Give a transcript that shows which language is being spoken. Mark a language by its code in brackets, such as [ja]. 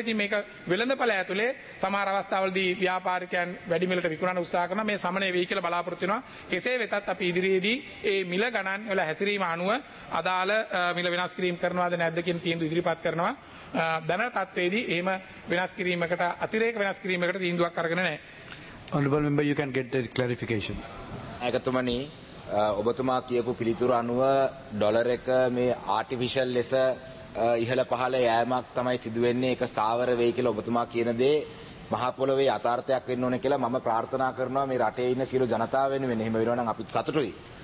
[si] ඉතින් මේක වෙළඳපළ ඇතුලේ සමහර අවස්ථාවලදී ව්‍යාපාරිකයන් වැඩි මිලට විකුණන්න උත්සාහ කරන මේ සමනය වෙයි කියලා බලාපොරොත්තු වෙනවා. කෙසේ වෙතත් අපි ඉදිරියේදී ඒ මිල ගණන් වල හැසිරීම අනුව අදාළ මිල වෙනස් කිරීම කරනවාද නැද්ද කියන තීන්දුව ඉදිරිපත් කරනවා. දැනට තත්වේදී එහෙම වෙනස් කිරීමකට අතිරේක වෙනස් කිරීමකට තීන්දුවක් අරගෙන නැහැ. [en] Honorable member, you can get the clarification. [si] ඒකටමනි ඔබතුමා කියපු පිළිතුර අනුව ඩොලර් එක මේ ආටිෆිෂල් ලෙස ඉහළ පහළ යෑමක් තමයි සිදු වෙන්නේ ඒක ස්ථාවර වෙයි කියලා ඔබතුමා කියන දේ මහ පොළොවේ යථාර්ථයක් වෙන්න ඕනේ කියලා මම ප්‍රාර්ථනා කරනවා මේ රටේ ඉන්න සියලු ජනතාව වෙනුවෙන් එහෙම වෙනවා නම් අපිත් සතුටුයි.